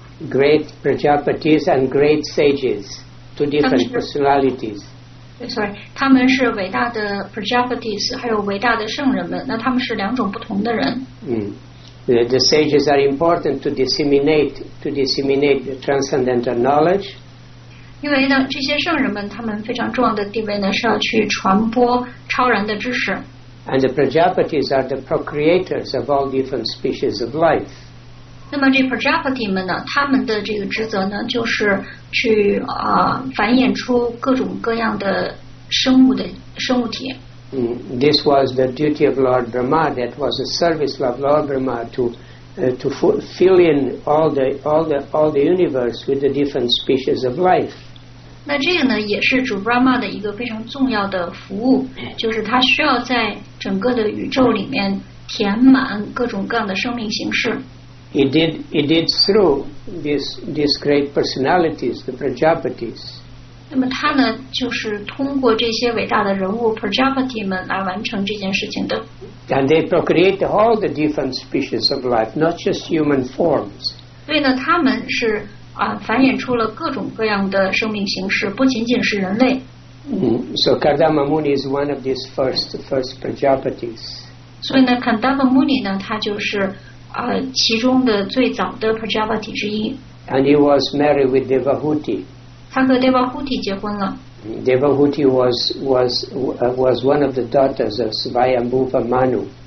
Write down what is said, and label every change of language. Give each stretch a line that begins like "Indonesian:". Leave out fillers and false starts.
English: Great prajapatis and great sages, two different personalities. Sorry,
Chinese: 他们是伟大的 prajapatis, 还有伟大的圣人们，那他们是两种不同的人。
English: The sages are important to disseminate the transcendental knowledge.
Chinese: 因为呢，这些圣人们他们非常重要的地位呢，是要去传播超然的知识。
English: And the Prajapatis are the procreators of all different species of life.
Chinese: 那么这 Prajapati 们呢，他们的这个职责呢，就是去啊、繁衍出各种各样的生物的生物体。
English: This was the duty of Lord Brahma. That was the service of Lord Brahma to fill in all the universe with the different species of life.
Chinese: 那这个呢，也是主 Brahma 的一个非常重要的服务，就是他需要在整个的宇宙里面填满各种各样的生命形式。
English: It did through these great personalities, the Prajapatis.
Chinese: 那么他呢，就是通过这些伟大的人物 Prajapati 们来完成这件事情的。
English: And they procreate all the different species of life, not just human forms.
Chinese: 所以呢，他们是啊、繁衍出了各种各样的生命形式，不仅仅是人类。
English: So Kardama Muni is one of these first Prajapatis.
Chinese: 所以呢 ，Kardama Muni 呢，他就是。其中的最早的 Prajapati 之一。
English: And he was married with Devahuti.
Chinese: 他和 Devahuti 结婚了。
English: Devahuti was one of the daughters of Svayambhuva Manu.